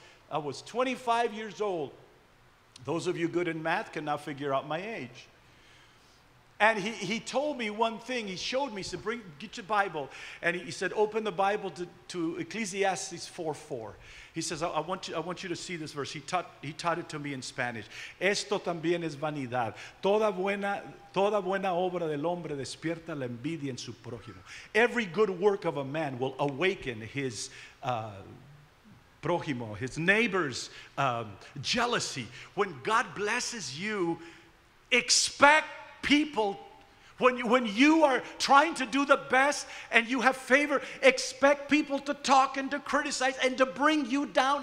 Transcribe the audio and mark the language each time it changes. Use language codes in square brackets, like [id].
[en] I was 25 years old. Those of you good in math can now figure out my age. And he told me one thing. He showed me, he said, get your Bible. And he said, open the Bible to Ecclesiastes 4:4. He says, I want you to see this verse. He taught it to me in Spanish. [es] Esto también es vanidad. Toda buena obra del hombre despierta la envidia en su prójimo. [en] Every good work of a man will awaken his prójimo, his neighbor's jealousy. When God blesses you, expect people, when you are trying to do the best and you have favor, expect people to talk and to criticize and to bring you down.